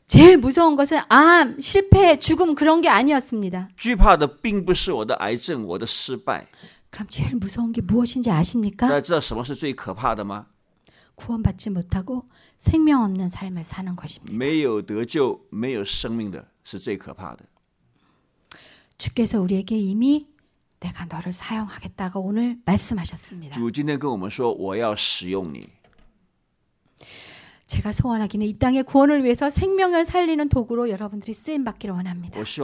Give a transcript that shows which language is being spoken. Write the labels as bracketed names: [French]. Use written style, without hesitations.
[Korean] 제일 무서운 것은 암, 실패, 죽음 그런 게 아니었습니다. [Chinese] 惧怕的并不是我的癌症，我的失败。 [Korean] 그럼 제일 무서운 게 무엇인지 아십니까? [Chinese] 那知道什么是最可怕的吗？ [Korean] 구원받지 못하고 생명 없는 삶을 사는 것입니다. [Chinese] 没有得救，没有生命的是最可怕的。 [Korean] 주께서 우리에게 이미 내가 너를 사용하겠다고 오늘 말씀하셨습니다. [Chinese] 주今天跟我们说我要使用你。 [Korean] 제가 소원하기는 이 땅의 구원을 위해서 생명을 살리는 도구로 여러분들이 쓰임 받기를 원합니다.